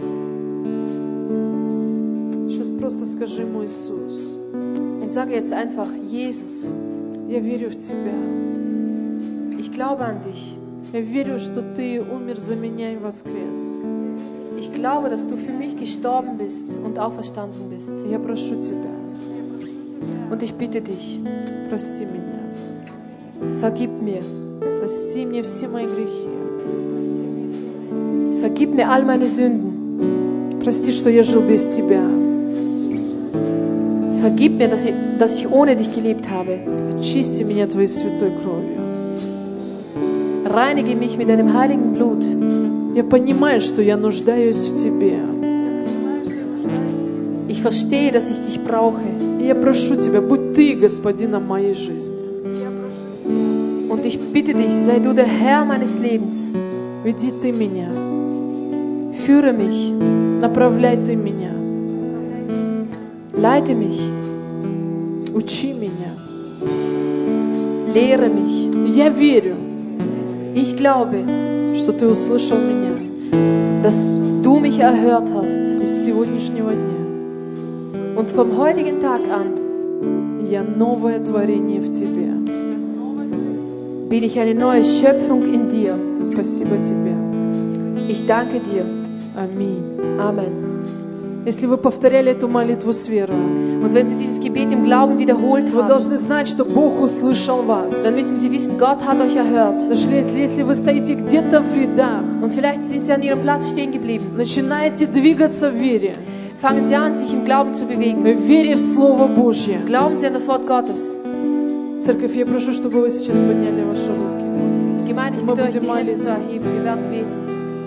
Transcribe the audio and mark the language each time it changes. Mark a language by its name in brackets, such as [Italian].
[Russian] Сейчас просто скажи ему Иисус. [German] Und sage jetzt einfach Jesus. [Russian] Я верю в тебя. [German] Ich glaube an dich. [Russian] Я верю, что ты умер за меня и воскрес. [German] Ich glaube, dass du für mich gestorben bist und auferstanden bist. [Russian] Я прошу тебя. [German] Und ich bitte dich. [Russian] Прости меня. [German] Vergib mir. [Russian] Прости мне все мои грехи. [German] Vergib mir all meine Sünden. [Russian] Прости, что я жил без тебя. [German] Vergib mir, dass ich ohne dich gelebt habe. [Russian] Очисти меня твоей святой кровью. [German] Reinige mich mit deinem heiligen Blut. [Russian] Я понимаю, что я нуждаюсь в тебе. [German] Ich verstehe, dass ich dich brauche. [Russian] Я прошу тебя, будь ты господином моей жизни. [German] Und ich bitte dich, sei du der Herr meines Lebens. [Russian] Веди ты меня. [German] Führe mich. [Russian] Направляй ты меня. [German] Leite mich. [Russian] Учи меня. [German] Lehre mich. [Russian] Я верю. [German] Ich glaube, [Russian] что ты услышал меня, [German] dass du mich erhört hast, [Russian] из сегодняшнего дня. [German] Und vom heutigen Tag an, [Russian] я новое творение в тебе. [German] Bin ich eine neue Schöpfung in dir. [Russian] Спасибо тебе. [German] Ich danke dir. [Russian] Аминь. [German] Amen. [Russian] Если вы повторяли эту молитву с верой, [German] und wenn Sie dieses Gebet im Glauben wiederholt haben, [Russian] вы должны знать, что Бог услышал вас. [German] Dann müssen Sie wissen, Gott hat euch erhört. [Russian] Если вы стоите где-то в рядах, [German] und vielleicht sind Sie an Ihrem Platz stehen geblieben, [Russian] начинайте двигаться в вере. [German] Fangen Sie an, sich im Glauben zu bewegen. [Russian] В вере в Слово Божье. [German] Glauben Sie an das Wort Gottes. [Russian] Церковь, я прошу, чтобы вы сейчас подняли ваши руки. [German] Gemeinde, ich bitte euch, die Hände zu erheben. Wir werden beten.